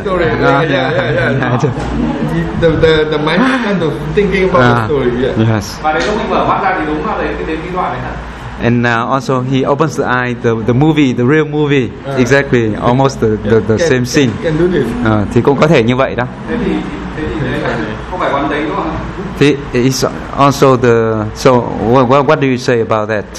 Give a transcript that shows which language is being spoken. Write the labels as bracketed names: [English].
[English] The mind kind of thinking about the story. Yeah. Yes. And also, he opens the eye. The movie, the real movie, exactly, almost the same scene. Can do this. [Vietnamese] Thì cũng có thể như vậy đó. Thế thì đấy là không phải quan tính đúng không? [English] It's also the so what do you say about that?